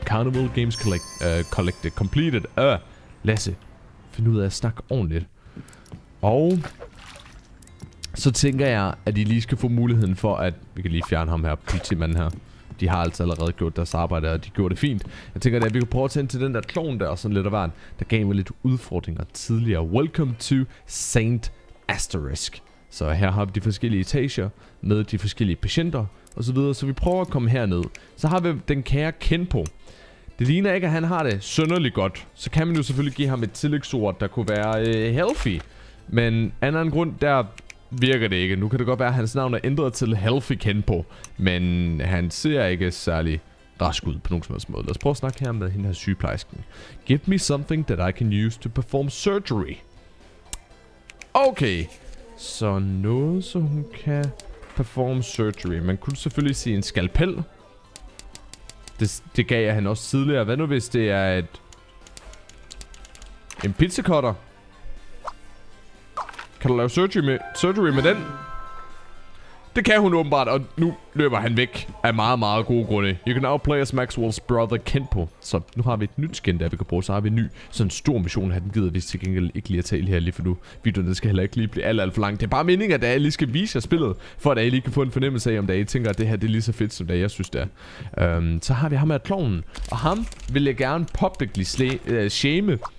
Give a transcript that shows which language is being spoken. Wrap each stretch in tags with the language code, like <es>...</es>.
<en>Carnival Games Collected completed.</en> <da>Lasse, find ud af at snakke ordentligt. Og så tænker jeg, at I lige skal få muligheden for at... Vi kan lige fjerne ham her, politimanden her. De har altså allerede gjort deres arbejde, og de gjorde det fint. Jeg tænker, at vi kan prøve at tænde til den der klon der, og sådan lidt af hverden. Der gav mig lidt udfordringer tidligere.</da> <en>Welcome to Saint Asterisk.</en> <da>Så her har vi de forskellige etager med de forskellige patienter og så videre, så vi prøver at komme herned. Så har vi den kære Kenpo. Det ligner ikke, at han har det synderligt godt. Så kan man jo selvfølgelig give ham et tillægsord, der kunne være healthy. Men anden grund, der virker det ikke. Nu kan det godt være, at hans navn er ændret til Healthy Kenpo. Men han ser ikke særlig rask ud på nogen som helst måde. Lad os prøve at snakke her med hende her sygeplejersken.</da> <en>Give me something that I can use to perform surgery.</en> <da>Okay. Så noget, så hun kan</da> <en>perform surgery.</en> <da>Man kunne selvfølgelig sige en skalpel. Det gav jeg han også tidligere. Hvad nu hvis det er et... en pizzakutter? Kan du lave surgery med den? Det kan hun åbenbart, og nu løber han væk af meget, meget gode grunde.</da> <en>You can now play as Maxwell's brother Kenpo.</en> <da>Så nu har vi et nyt skin, der vi kan bruge. Så har vi en ny, sådan stor mission her. Den gider vi til gengæld ikke lige at tale her lige for nu. Videoen skal heller ikke lige blive alt for langt. Det er bare meningen, at jeg lige skal vise jer spillet. For at jeg lige kan få en fornemmelse af, om I tænker, at det her det er lige så fedt, som det jeg synes, det er. Så har vi ham her klovnen. Og ham vil jeg gerne</da> <en>publicly shame.</en>